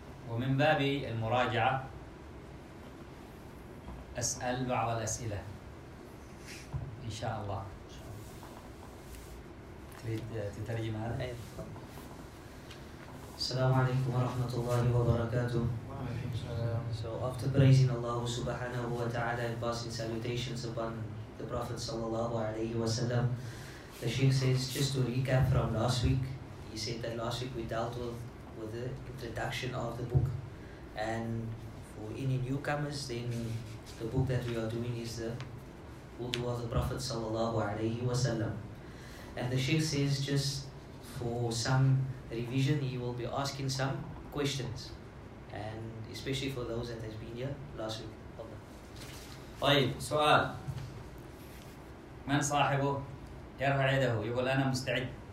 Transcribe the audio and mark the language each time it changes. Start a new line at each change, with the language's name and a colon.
Arabic: ومن باب المراجعة أسأل بعض الأسئلة إن شاء الله. تريد تترجم هذا؟ السلام عليكم ورحمة الله وبركاته.
English: So after praising Allah subhanahu wa ta'ala and passing salutations upon the Prophet sallallahu alayhi wa sallam, the Sheikh says, just to recap from last week, he said that last week we dealt with the introduction of the book, and for any newcomers, then the book that we are doing is the Wudu of the Prophet sallallahu alayhi wa sallam. And the Sheikh says, just for some revision, he will be asking some questions, and especially for those that has been here last week.
Arabic: سؤال. من صاحبه؟ يرفع يده يقول أنا مستعد.